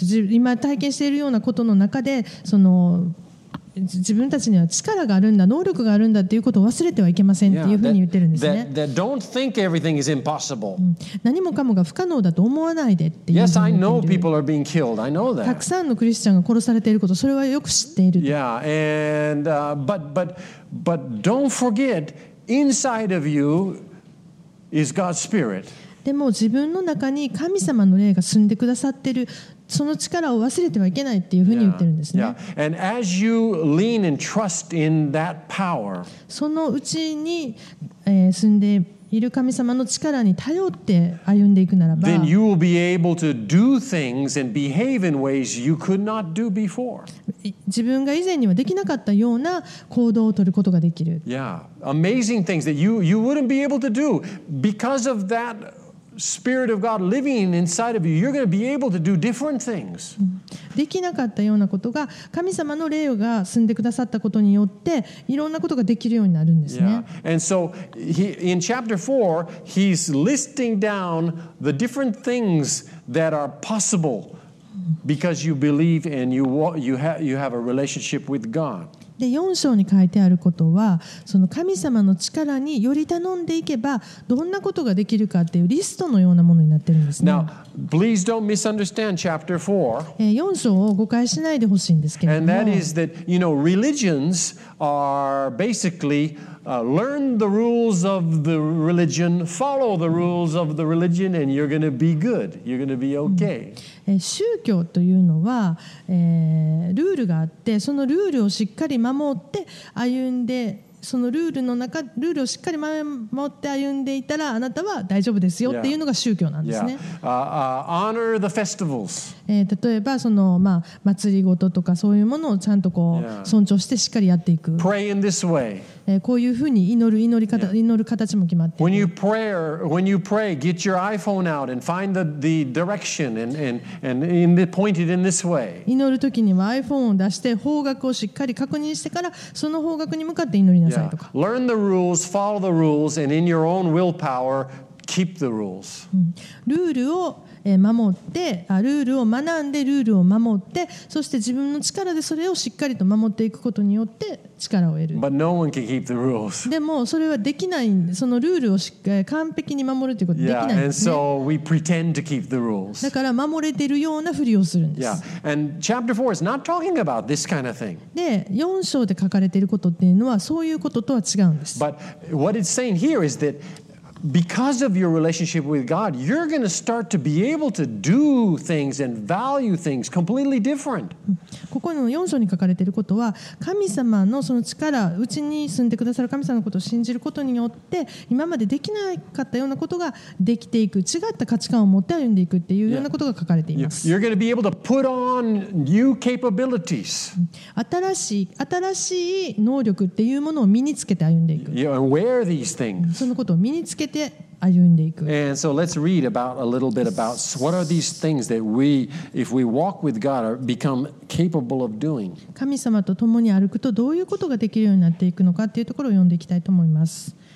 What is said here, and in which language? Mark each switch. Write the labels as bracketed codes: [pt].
[ja] 今体験しているようなことの中で、その自分たちには力があるんだ、能力があるんだっていうことを忘れてはいけませんっていうふうに言ってるんですね。 [en] Yeah, that don't think everything is impossible. [ja] 何もかもが不可能だと思わないでっていう。 [en] Yes, I know people are being killed. I know that. [ja] たくさんのクリスチャンが殺されていること、それはよく知っている。 [en] Yeah, and but don't forget inside of you is God's spirit. [ja] でも自分の中に神様の霊が住んでくださってる、その力を忘れてはいけないっていうふうに言ってるんですね。 [en] yeah. Yeah. And as you lean and trust in that power, [ja] そのうちに、住んでいる神様の力に頼って歩んでいくならば、 [en] then you will be able to do things and behave in ways you could not do before. [ja] 自分が以前にはできなかったような行動を取ることができる。 [en] Yeah. Amazing things that you wouldn't be able to do because of thatSpirit of God living inside of you, you're going to be able to do different things. [ja] できなかったようなことが神様の霊が住んでくださったことによっていろんなことができるようになるんですね。 [en] Yeah. And so he, in chapter 4, he's listing down the different things that are possible because you believe and you have a relationship with God. [ja] で4章に書いてあることはその神様の力により頼んでいけばどんなことができるかっていうリストのようなものになってるんですね。 [en] Now, please don't misunderstand chapter [ja] 4章を誤解しないでほしいんですけれども、 [en] And that is that, you know, religions are basically, learn the rules of the religion, follow the rules of the religion, and you're going to be good. You're going to be okay. [ja] 宗教というのは、ルールがあってそのルールをしっかり守って歩んでそのルールの中ルールをしっかり守って歩んでいたらあなたは大丈夫ですよっていうのが宗教なんですね。 [en] yeah. Yeah. Honor the festivals. [ja] 例えばその、まあ、祭りごととかそういうものをちゃんとこう、yeah. 尊重してしっかりやっていく。 [en] Pray in this way. [ja] こういうふうに祈る形も決まっている。 [en] When you pray, get your iPhone out and find the direction and point it in this way. [ja] 祈る時には iPhone を出して方角をしっかり確認してからその方角に向かって祈りなさいとか。 [en] Yeah. Learn the rules, follow the rules, and in your own willpower, keep the rules. [ja] ルールを守ってルールを学んでルールを守ってそして自分の力でそれをしっかりと守っていくことによって力を得る。 [en] But no one can keep the rules. [ja] でもそれはできない。そのルールをしっかり完璧に守るということはできないんですね。 [en] And so we pretend to keep the rules. [ja] だから守れているようなふりをするんです。 [en] Yeah. And chapter 4 is not talking about this kind of thing. [ja] で4章で書かれていることっていうのはそういうこととは違うんです。 [en] But what it's saying here is thatBecause of your relationship with God, you're going to start to be able to do things and value things completely different. [ja] ここの4章に書かれていることは、神様のその力、うちに住んでくださる神様のことを信じることによって、今までできなかったようなことができていく、違った価値観を持って歩んでいくっていうようなことが書かれています。 [en] Yeah. You're going to be able to put on new capabilities. [ja] 新しい能力っていうものを身につけて歩んでいく。 [en] Yeah, and wear these things. [ja] そのことを身につけて歩んでいく。 [en] And so let's read about a little bit about what are these things that we, if we walk with God, are become capable of doing. [ja] 神様と共に歩くとどういうことができるようになっていくのかっていうところを読んでいきたいと思います。